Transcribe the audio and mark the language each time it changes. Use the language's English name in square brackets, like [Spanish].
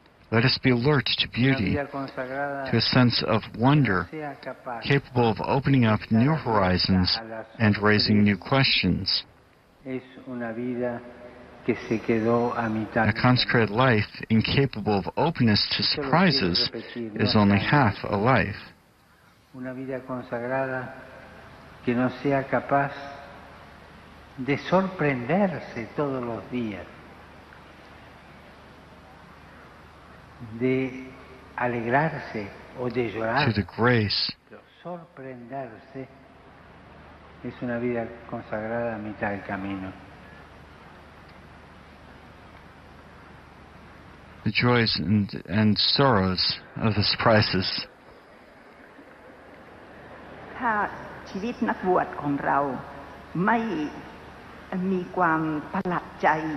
[English] Let us be alert to beauty, to a sense of wonder, capable of opening up new horizons and raising new questions. A consecrated life incapable of openness to surprises is only half a life. [Spanish] Una vida consagrada que no sea capaz de sorprenderse todos los días. De alegrarse o de llorar. [English] To the grace. [Spanish] Sorprenderse es una vida consagrada a mitad del camino. [English] The joys and sorrows of the surprises. [Thai] ถ้าชีวิตนักบวชของเราไม่มีความประหลาดใจ